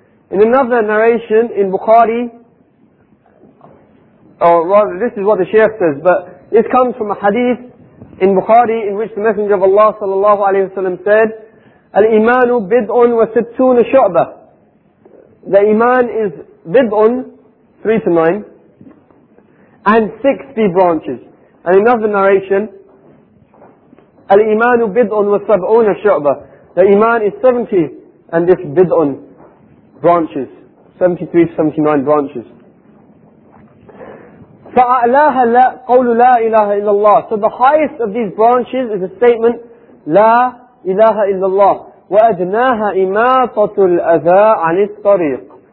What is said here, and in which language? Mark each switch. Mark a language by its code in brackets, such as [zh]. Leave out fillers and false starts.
[en] In another narration in Bukhari, or rather this is what the Shaykh says, but this comes from a hadith in Bukhari in which the Messenger of Allah sallallahu alayhi wa sallam said, [ar] Al-Imanu bid'un wa sittuna shu'ba. [en] The Iman is bid'un, 3 to 9, and 60 branches. And another narration, [ar] الإيمان بدءٌ وسبعون شعبة. [en] The Iman is 70 and this bid'un branches, 73 to 79 branches. [ar] فَأَعْلَاهَا قَوْلُ لَا إِلَهَ إِلَّا اللَّهِ. [en] So the highest of these branches is a statement, [ar] لَا إِلَهَ إِلَّا اللَّهِ وَأَدْنَاهَا إِمَاطَةُ الْأَذَىٰ عَنِ الطَّرِيقِ.